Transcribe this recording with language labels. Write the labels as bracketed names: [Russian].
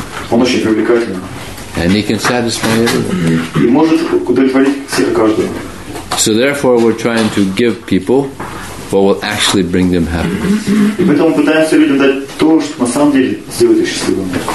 [Russian] Он очень привлекательный. [English] And he can satisfy everyone. [Russian] И может удовлетворить всех и каждого. [English] So therefore we're trying to give people what will actually bring them happiness. [Russian] И поэтому пытаемся людям дать то, что на самом деле сделает их счастливыми.